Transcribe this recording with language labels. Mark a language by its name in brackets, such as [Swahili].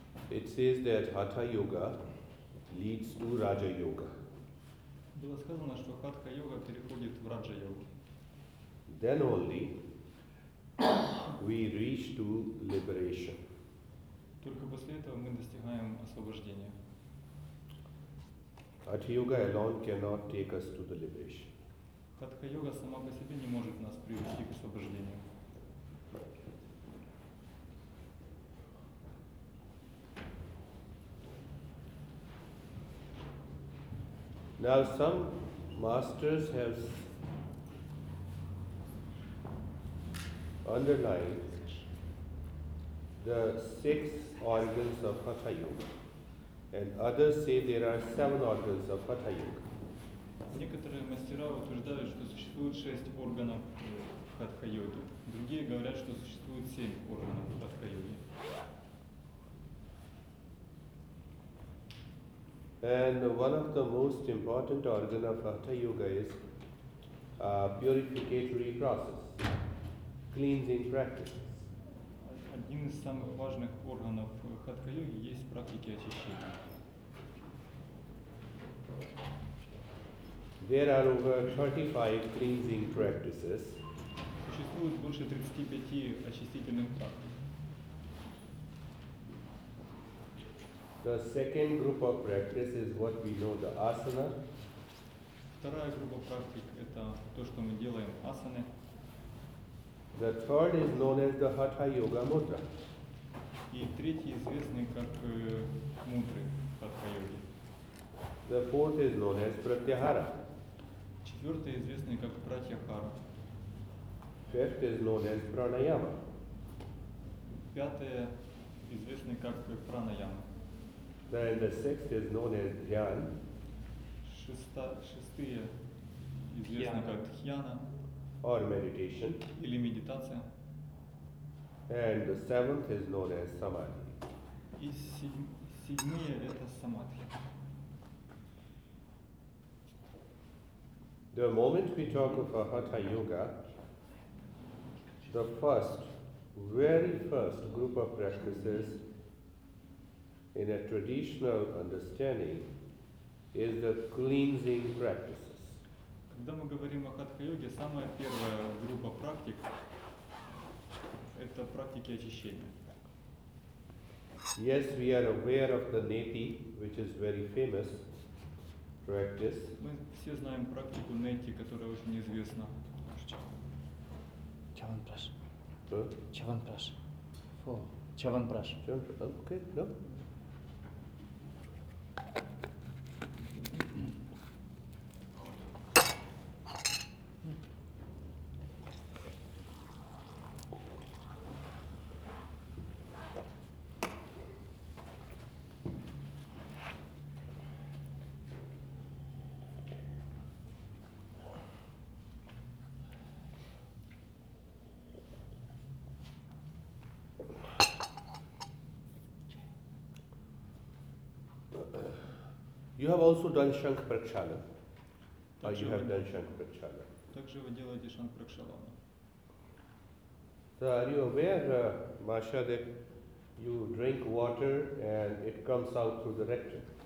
[English] It says that Hatha Yoga leads to Raja Yoga. [Russian] Было сказано, что хатха йога переходит в раджа йогу. [English] Then only we reach to liberation. [Russian] Только после этого мы достигаем освобождения. [English] Hatha yoga alone cannot take us to the liberation. [Russian] Хатха йога сама по себе не может нас привести к освобождению. [English] Now some masters have underlined the six organs of Hatha Yoga, and others say there are seven organs of Hatha Yoga. [Russian] Некоторые мастера утверждают, что существует шесть органов Хатха Йоги. Другие говорят, что существует семь органов Хатха Йоги. [English] And one of the most important organs of Hatha Yoga is purificatory process, cleansing practice. [Russian] Один из самых важных органов Хатха Йоги есть практики очищения. [English] There are over 35 cleansing practices. [Russian] Существует больше 35 очистительных практик. [English] The second group of practice is what we know, the asana. [Russian] Вторая группа практик – это то, что мы делаем, асаны. [English] The third is known as the Hatha Yoga Mudra. [Russian] И третий известный как мудры Хатха Йоги. [English] The fourth is known as Pratyahara. [Russian] Четвертый известный как Pratyahara. [English] Fifth is known as Pranayama. [Russian] Пятое известный как Pranayama. [English] Then the sixth is known as Dhyan. [Russian] Шестые известны как Dhyana. [English] Or meditation. [Russian] Или медитация. [English] And the seventh is known as Samadhi. [Russian] И седьмые это Самадхи. [English] The moment we talk of Hatha Yoga, the first, very first group of practices in a traditional understanding is the cleansing practices. [Russian] Когда мы говорим о хатха-йоге, самая первая группа практик это практики очищения. [English] Yes, we are aware of the neti, which is very famous practice. [Russian] Мы все знаем практику нети, которая очень известна. Чаванпраш. Чаванпраш. Чаванпраш. [English] Okay, no. Mm-hmm. You have also done shank prakshala. Or you have done shank prakshala. [Russian] Также вы делаете шанк пракшалану. [English] So are you aware, Masha, that you drink water and it comes out through the rectum?